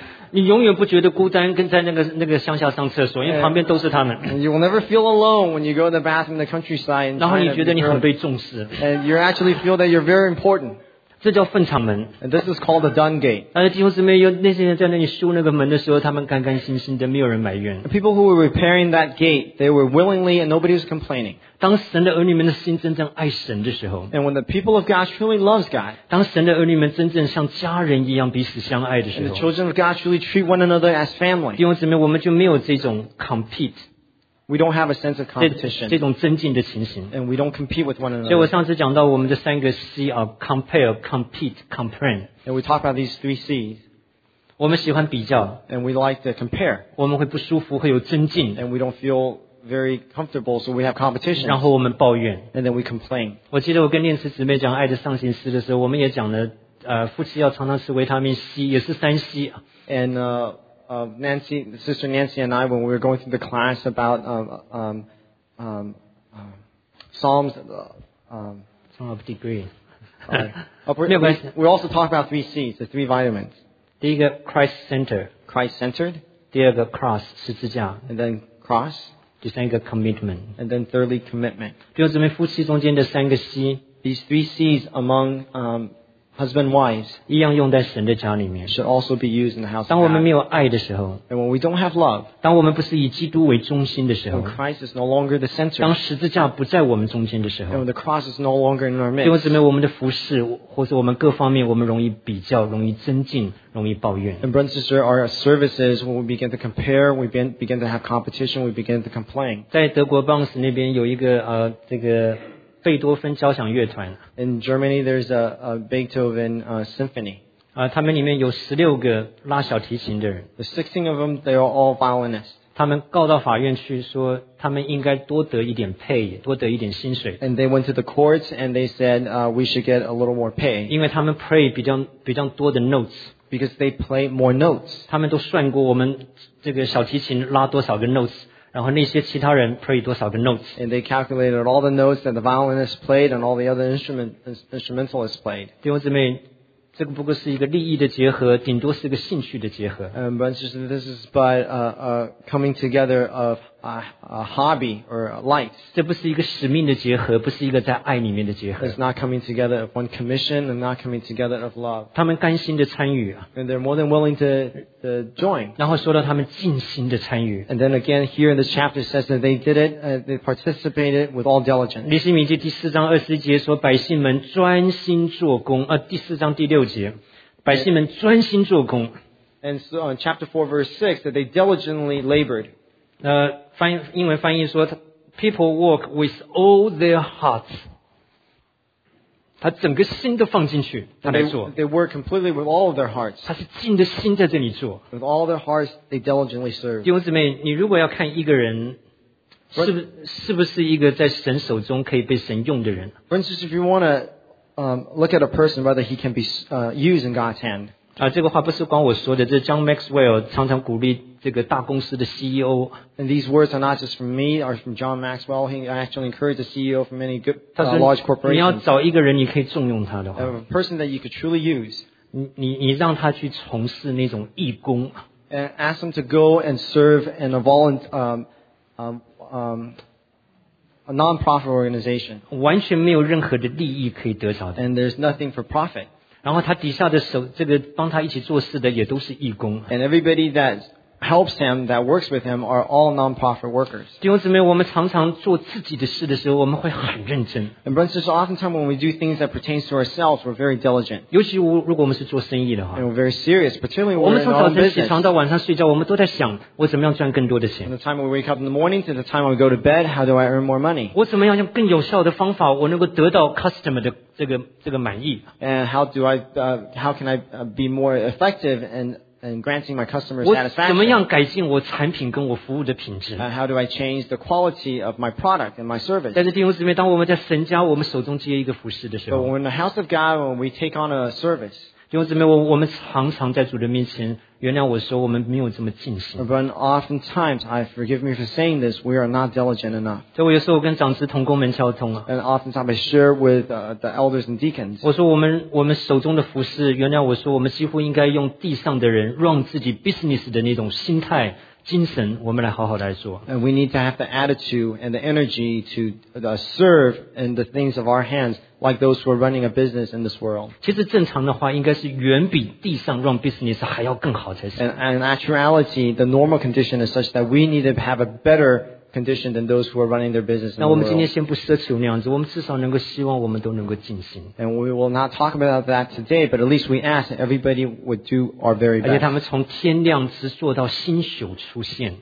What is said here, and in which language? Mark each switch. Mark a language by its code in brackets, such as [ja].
[zh] 你永远不觉得孤单，跟在那个乡下上厕所，因为旁边都是他们。 [en] And you will never feel alone when you go to the bathroom in the countryside. [zh] 然后你觉得你很被重视。 [en] And you actually feel that you're very important. [zh] 这叫粪场门。 [en] And this is called the dung gate. [zh] 但是弟兄姊妹，有那些人在那里修那个门的时候，他们干干心心的，没有人埋怨。 [en] People who were repairing that gate, they were willingly and nobody was complaining. [zh] 当神的儿女们的心真正爱神的时候 [en] ，And when the people of God truly loves God， [zh] 当神的儿女们真正像家人一样彼此相爱的时候 [en] ，And the children of God truly treat one another as family， [zh] 弟兄姊妹，我们就没有这种 compete。 [en] We don't have a sense of competition. [zh] 这种增进的情形。 [en] And we don't compete with one another. [zh] 所以我上次讲到我们的三个 C [en] are compare, compete, complain. And we talk about these three C's. [zh] 我们喜欢比较。 [en] And we like to compare. [zh] 我们会不舒服，会有增进。 [en] And we don't feel very comfortable, so we have competition. [zh] 然后我们抱怨。 [en] And then we complain. [zh] 我记得我跟念慈姊妹讲爱的上行式的时候，我们也讲了，夫妻要常常吃维他命 C, 也是三 C. [en] And, Nancy, Sister Nancy and I, when we were going through the class about, Psalms, Psalm of Degree. we also talk about three C's, the three vitamins. [zh] 第一个 Christ-centered. [en] Christ-centered. [zh] 第二个 cross, 十字架。 [en] And then cross. [zh] 第三个 commitment. [en] And then thirdly, commitment. [zh] 弟兄姊妹，夫妻中间的三个 C, [en] these three C's among, husband and wives, [zh] 一样用在神的家里面。 [en] Should also be used in the house. [zh] 当我们没有爱的时候。 [en] And when we don't have love. [zh] 当我们不是以基督为中心的时候。 [en] When Christ is no longer the center. [zh] 当十字架不在我们中间的时候。 [en] And when the cross is no longer in our midst. [zh] 弟兄姊妹，我们的服事，或是我们各方面，我们容易比较，容易增进。容易抱怨。 [en] And brothers and sisters, our services, when we begin to compare, we begin to have competition, we begin to complain. [zh] 在德国 Bangs 那边有一个这个贝多芬交响乐团。 [en] In Germany, there's a Beethoven symphony. [zh] 他们里面有16个拉小提琴的人。 [en] The 16 of them, they are all violinists. [zh] 他们告到法院去说他们应该多得一点 pay, 多得一点薪水。 [en] And they went to the courts and they said, we should get a little more pay. [zh] 因为他们 play 比较多的 notes. [en] Because they play more notes. [zh] 他们都算过我们这个小提琴拉多少个 notes, 然后那些其他人 play 多少个 notes. [en] And they calculated all the notes that the violinist played and all the other instrumentalists played. [zh] 弟兄姊妹，这个不过是一个利益的结合，顶多是一个兴趣的结合。 [en] But just this is by coming together of a hobby or likes. [zh] 这不是一个使命的结合，不是一个在爱里面的结合。 [en] It's not coming together of one commission and not coming together of love. [zh] 他们甘心的参与。 [en] And they're more than willing to join. [zh] 然后说到他们尽心的参与。 [en] And then again, here in this chapter says that they did it, they participated with all diligence. [zh] 尼希米记第四章二十节说，百姓们专心做工。第四章第六节，百姓们专心做工。 [en] And so on chapter 4 verse 6 that they diligently labored. [zh] 翻英文翻译说 [en] people work with all their hearts. [zh] 他整个心都放进去，他来做。 [en] They work completely with all of their hearts. [zh] 他是尽着心在这里做。 [en] With all their hearts, they diligently serve. [zh] 弟兄姊妹，你如果要看一个人是不是一个在神手中可以被神用的人 [en] ？For instance, if you want to look at a person whether he can be used in God's hand. [zh] 啊，这个话不是光我说的，这是 John Maxwell 常常鼓励这个大公司的 CEO。 [en] And these words are not just from me, are from John Maxwell. He actually encouraged the CEO from many good large corporations. [zh] 你要找一个人，你可以重用他的话。 [en] A person that you could truly use. [zh] 你让他去从事那种义工。 [en] And ask him to go and serve in a a non-profit organization. [zh] 完全没有任何的利益可以得着的。 [en] And there's nothing for profit. [zh] 然后他底下的手，这个帮他一起做事的也都是义工。 [en] And everybody that helps him, that works with him, are all non-profit workers. [zh] 弟兄姊妹，我们常常做自己的事的时候，我们会很认真。 [en] And brothers, oftentimes when we do things that pertains to ourselves, we're very diligent. [zh] 尤其如果我们是做生意的话。 [en] And we're very serious, particularly when we're in our business. [zh] 我们从早晨起床到晚上睡觉，我们都在想我怎么样赚更多的钱。 [en] From the time we wake up in the morning to the time we go to bed, how do I earn more money? [zh] 我怎么样用更有效的方法，我能够得到 customer 的这个满意。 [en] And how can I be more effective and granting my customers satisfaction. [zh] 我怎么样改进我产品跟我服务的品质 [en] ？How do I change the quality of my product and my service? [zh] 但是弟兄姊妹，当我们在神家，我们手中接一个服事的时候 [en] ，But when the house of God, when we take on a service, [zh] 弟兄姊妹，我们常常在主的面前，原谅我说我们没有这么尽心。 [en] But oftentimes, I forgive me for saying this, we are not diligent enough. [zh] 所以我有时候跟长子同工们交通了 [en] ，And oftentimes I share with the elders and deacons. [zh] 我说我们手中的服事，原谅我说我们几乎应该用地上的人 run 自己 business 的那种心态。精神我们来好好来做。 [en] And we need to have the attitude and the energy to serve in the things of our hands like those who are running a business in this world. [zh] 其实正常的话应该是远比地上 [en] run business [zh] 还要更好才是。 [en] And in actuality, the normal condition is such that we need to have a better condition than those who are running their business in the world. [zh] 那我们今天先不奢求那样子，我们至少能够希望我们都能够尽心。 [en] And we will not talk about that today, but at least we ask that everybody would do our very best. [zh] 而且他们从天亮直做到星宿出现。